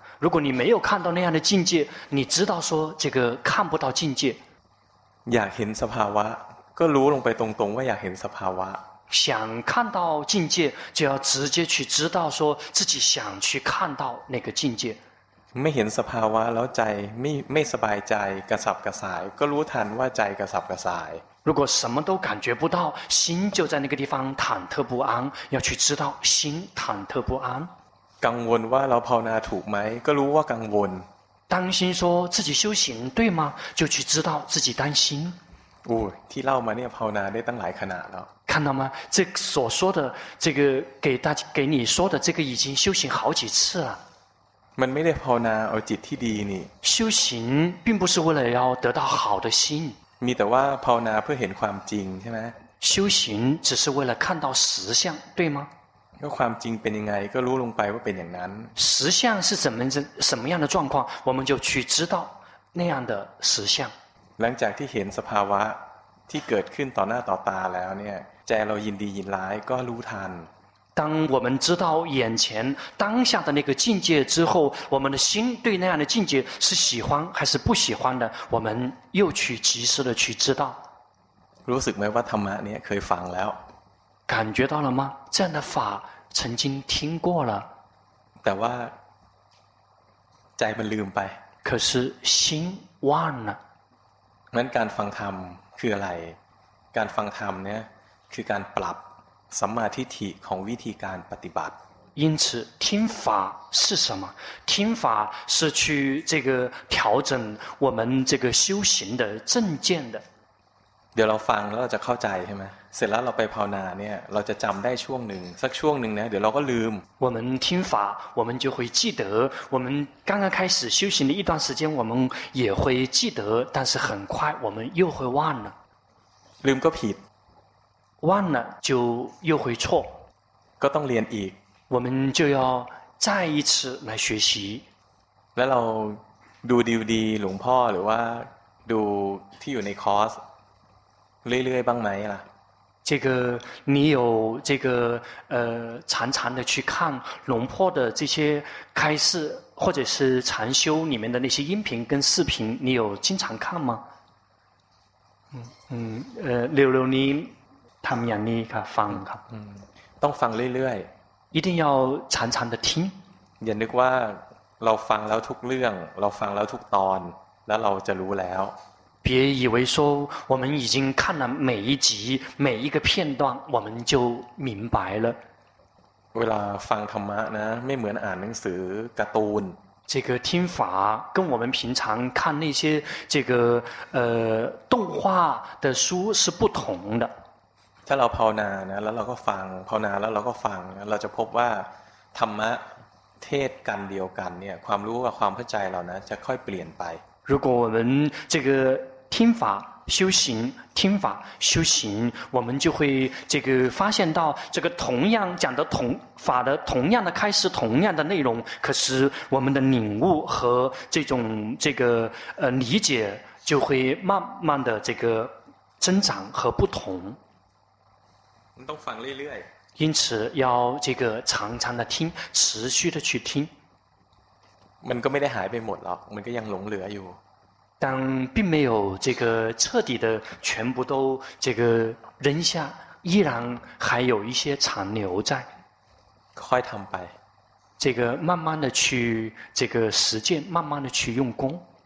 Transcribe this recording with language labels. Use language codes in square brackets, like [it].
[zh] 如果你没有看到那样的境界你知道说这个看不到境界 [th] อยากเห็นสภาวะก็รู้ลงไปตรงๆว่าอยากเห็นสภาวะ [zh] 想看到境界就要直接去知道说自己想去看到那个境界 [th] ไม่เห็นสภาวะแล้วใจไม่สบายใจกระสับกระส่ายก็รู้ทันว่าใจกระสับกระส่าย [zh] 如果什么都感觉不到心就在那个地方忐忑不安要去知道心忐忑不安 [th] กังวลว่าเราภาวนาถูกไหมก็รู้ว่ากังวล [zh] 担心说自己修行对吗就去知道自己担心 [th] โอ้ยที่เล่ามาเนี่ยภาวนาได้ตั้งหลายขณะแล้ว [zh] 看到吗这所说的这个给大家给你说的这个已经修行好几次了 [th] มันไม่ได้ภาวนาเอาจิตที่ดีนี่ [zh] 修行并不是为了要得到好的心 [th] มีแต่ว่าภาวนาเพื่อเห็นความจริงใช่ไหม [zh] 修行只是为了看到实相对吗 [th] ก็ความจริงเป็นยังไงก็รู้ลงไปว่าเป็นอย่างนั้น [zh] 实相是什么样的状况我们就去知道那样的实相 [th] หลังจากที่เห็นสภาวะที่เกิดขึ้นต่อหน้าต่อตาแล้วเนี่ยใจเรายินดียินร้ายก็รู้ทัน [zh] 当我们知道眼前当下的那个境界之后我们的心对那样的境界是喜欢还是不喜欢的我们又去及时的去知道 [th] รู้สึกไหมว่าธรรมะเนี่ยเคยฟังแล้ว [zh] 感觉到了吗这样的法曾经听过了 [th] แต่ว่าใจมันลืมไป [zh] 可是心忘了 [th] งั้นการฟังธรรมคืออะไรการฟังธรรมเนี่ยคือการปรับสัมมาทิฏฐิของวิธีการปฏิบัติ [zh] 因此听法是什么听法是去这个调整我们这个修行的正见的 [th] เดี๋ยวเราฟังแล้วเราจะเข้าใจใช่ไหมเสร็จแล้วเราไปภาวนาเนี่ยเราจะจำได้ช่วงหนึ่งสักช่วงหนึ่งนะเดี๋ยวเราก็ลืม [zh] 我们听法我们就会记得我们刚刚开始修行的一段时间我们也会记得但是很快我们又会忘了 [th] ลืมก็ผิด [zh] 忘了就又会错 [th] ก็ต้องเรียนอีก [zh] 我们就要再一次来学习 [th] แล้วเราดูดีๆหลวงพ่อหรือว่าดูที่อยู่ในคอร์สเรื่อยๆบ้างไหมล่ะ [zh] 这个你有这个常常的去看龙破的这些开示或者是禅修里面的那些音频跟视频你有经常看吗刘你 [th] ทำอย่างนี้ครับฟังครับ ต้องฟังเรื่อย [zh] ๆ一定要常常的听 [th] อย่านึกว่าเราฟังแล้วทุกเรื่องเราฟังแล้วทุกตอนแล้วเราจะรู้แล้ว [zh] 别以为说我们已经看了每一集每一个片段我们就明白了 [th] เวลาฟังธรรมะนะไม่เหมือนอ่านหนังสือการ์ตูน [zh] 这个听法跟我们平常看那些这个动画的书是不同的 [th] ถ้าเราภาวนานะแล้วเราก็ฟังภาวนาแล้วเราก็ฟังเราจะพบว่าธรรมะเทศกันเดียวกันเนี่ยความรู้กับความเข้าใจเรานะจะค่อยเปลี่ยนไป [zh] 如果我们这个听法修行听法修行我们就会这个发现到这个同样讲的同法的同样的开示同样的内容可是我们的领悟和这种这个理解就会慢慢的这个增长和不同 [th] ต้องฟังเรื่อย [zh] ๆ因此要这个常常的听持续的去听 [th] มันก็ไม่ได้หายไปหมดหรอกมันก็ยังหลงเหลืออยู่ [zh] 但并没有这个彻底的全部都这个扔下，依然还有一些残留在。快坦白，这个慢慢的去这个实践，慢慢的去用功。